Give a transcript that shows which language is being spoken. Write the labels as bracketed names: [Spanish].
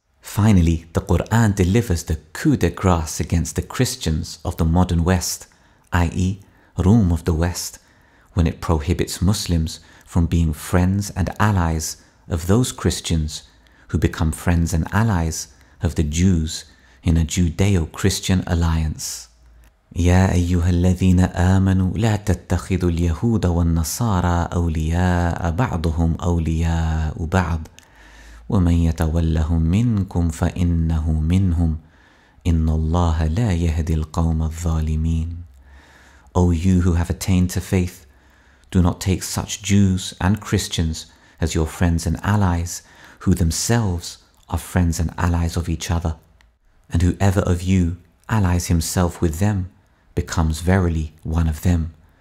[English] Finally, the Qur'an delivers the coup de grace against the Christians of the modern West, i.e., Rum of the West, when it prohibits Muslims from being friends and allies of those Christians who become friends and allies of the Jews in a Judeo-Christian alliance. [Arabic] يا أيها الذين آمنوا لا تتخذوا اليهود والنصارى أولياء بعضهم أولياء بعض ومن يتولهم منكم فإنه منهم إن الله لا يهدي القوم الظالمين. [English] O you who have attained to faith, do not take such Jews and Christians as your friends and allies, who themselves are friends and allies of each other. And whoever of you allies himself with them becomes verily one of them.